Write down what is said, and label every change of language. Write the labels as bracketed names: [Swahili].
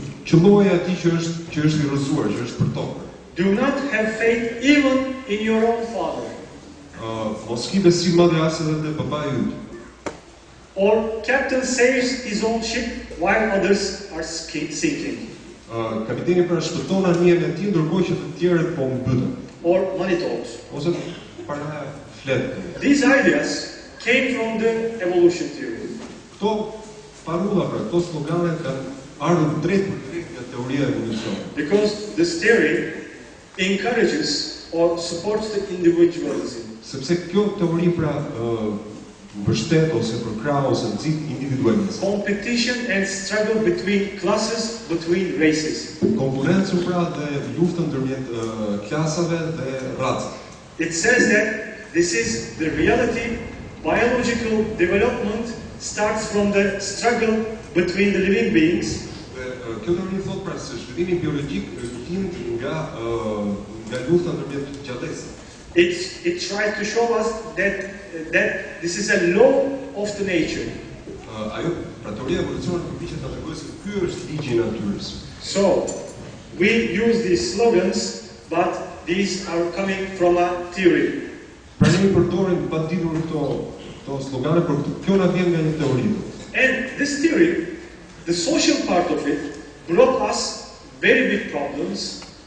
[Albanian] Që është i rrëzuar, që është për tokë. [English] Do not have faith even in your own father. [Albanian] Mos ki besim madhe as edhe në babai yt. [English] Or captain saves his own ship while others are sinking. [Albanian] Kapiteni pra shpëton anijen e tij ndërkohë që të tjerët po mbyten. [English] Or money talks. [Albanian] Ose para flet. [English] These ideas came from the evolution theory. [Albanian] Këto parulla pra, këto slogane kanë ardhur drejt nga teoria e evolucionit. [English] Because this theory encourages or supports the individualism. [Albanian] Sepse kjo teori pra mbështet ose përkrah ose nxit individualizmin. [English] Competition and struggle between classes, between races. [Albanian] Konkurrencë pra dhe luftë ndërmjet klasave dhe racave. [English] It says that this is the reality. Biological development starts from the struggle between the living beings. [Albanian] Kjo teori thot pra se zhvillimi biologjik vjen nga lufta ndërmjet gjatësisë. [English] It tries to show us that this is a law of the nature. [Albanian] Ajo pra teoria evolucionit përpiqet ta tregojë se ky është ligji i natyrës. [English] So we use these slogans, but these are coming from a theory. [Albanian] Pra ne përdorim paditur këto slogane, por kjo na vjen nga një teori. [English] And this theory, the social part of it, brought us very big problems.